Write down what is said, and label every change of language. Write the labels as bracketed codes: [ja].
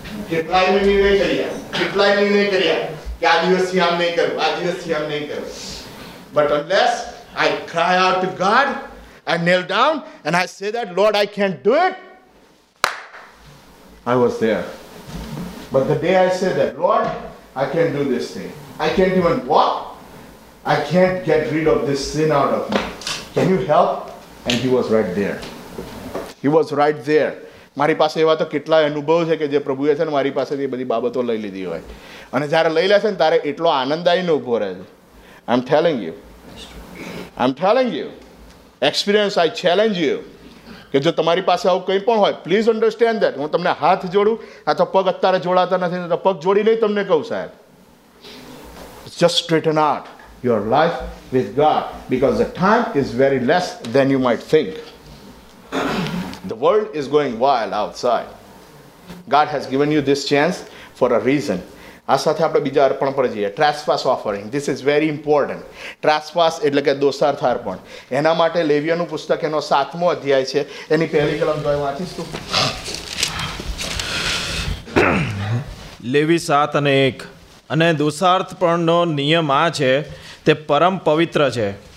[gu] કેટલાય મેં નહીં કર્યા, કેટલાય મેં નહીં કર્યા કે આ દિવસથી આમ નહીં કરું, આ દિવસથી આમ નહીં કરું. [en] But unless I cry out to God and nail down and I say that Lord I can do it, I was there. But the day I say that Lord I can do this thing, I can't even walk, I can't get rid of this sin out of me. Can you help? And he was right there. He was right there. [gu] મારી પાસે એવા તો કેટલા અનુભવ છે કે જે પ્રભુએ છે ને મારી પાસેથી એ બધી બાબતો લઈ લીધી હોય, અને જ્યારે લઈ લેશે ને ત્યારે એટલો આનંદ આવીને ઊભો રહે છે. [en] I am telling you, [gu] experience, [en] I challenge you [gu] કે જો તમારી પાસે આવું કંઈ પણ હોય, [en] please understand that [gu] હું તમને હાથ જોડું, અથવા પગ અત્યારે જોડાતા નથી તો પગ જોડી નહીં તમને કહું સાહેબ. [en] Just straighten out your life with God, because the time is very less than you might think. The world is going wild outside. God has given you this chance for a reason. [gu] આ સાથે આપણે બીજા અર્પણ પર જઈએ. [en] Trespass offering, this is very important. Trespass [gu] એટલે કે દોષાર્થ અર્પણ. એના માટે લેવિયાનું પુસ્તક એનો 7મો અધ્યાય છે, એની પહેલી કલમ જો વાંચીશ તો. લેવી 7:1, અને દોષાર્થપણનો નિયમ આ છે, તે પરમ પવિત્ર છે.